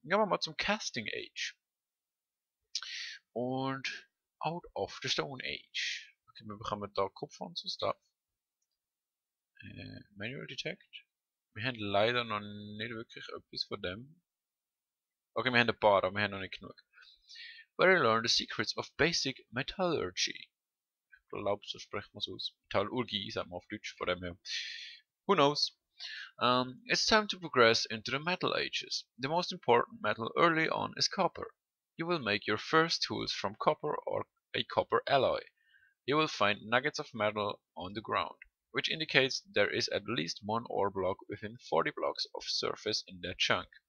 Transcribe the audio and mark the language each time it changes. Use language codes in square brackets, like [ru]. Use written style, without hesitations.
[de] Gehen wir mal zum Casting Age. Und Out of the Stone Age. Okay, wir bekommen da Kupfer und so Stuff. Manual Detect. Wir haben leider noch nicht wirklich etwas von dem. Okay, wir haben ein paar, aber wir haben noch nicht genug. [en] Where I learned the secrets of basic metallurgy. [de] Ich glaube, so spricht man es aus. Metallurgie, sagen wir auf Deutsch, von dem her. [en] Who knows? It's time to progress into the metal ages. The most important metal early on is copper. You will make your first tools from copper or a copper alloy. You will find nuggets of metal on the ground, which indicates there is at least one ore block within 40 blocks of surface in that chunk.